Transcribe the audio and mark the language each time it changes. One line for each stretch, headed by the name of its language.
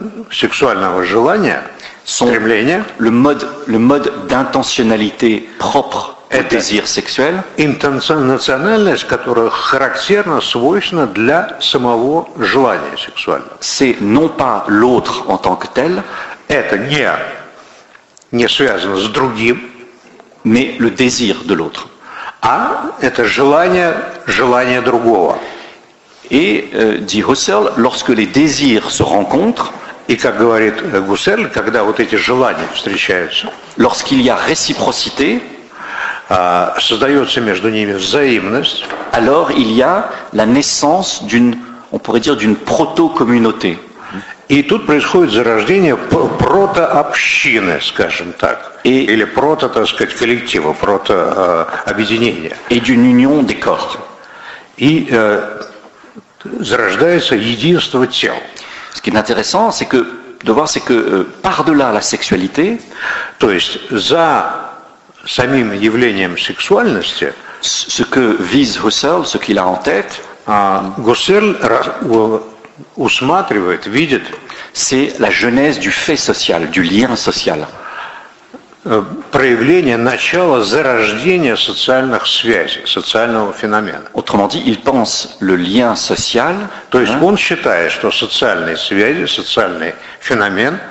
Russian: сексуального желания, стремления,
French: le mode d'intentionnalité propre au désir sexuel,
Russian: интенциональность, которая характерна, свойственна для самого желания сексуального.
French: C'est non pas l'autre en tant que tel,
Russian: это не связано с другим,
French: mais le désir de l'autre.
Russian: А это желание другого.
French: Et dit Husserl, lorsque les désirs se rencontrent,
Russian: et как говорит Гуссерль, когда вот эти желания встречаются,
French: lorsqu'il y a réciprocité,
Russian: создается между ними взаимность,
French: alors il y a la naissance d'une, on pourrait dire d'une proto-communauté.
Russian: Et тут происходит зарождение прото-общины, скажем так, et, или прото, так сказать, коллектива, прото-объединения.
French: Et d'une union des corps.
Russian: Зарождается единство тел.
French: Ce qui est intéressant, c'est que de voir, c'est que par-delà la sexualité,
Russian: то есть за самим явлением сексуальности,
French: ce que vise Husserl, ce qu'il a en tête,
Russian: Husserl усматривает, видит,
French: c'est la genèse du fait social, du lien social.
Russian: Проявление начала зарождения социальных связей, социального феномена.
French: Autrement dit, il pense le lien social,
Russian: то есть он считает, что социальные связи, социальный феномен,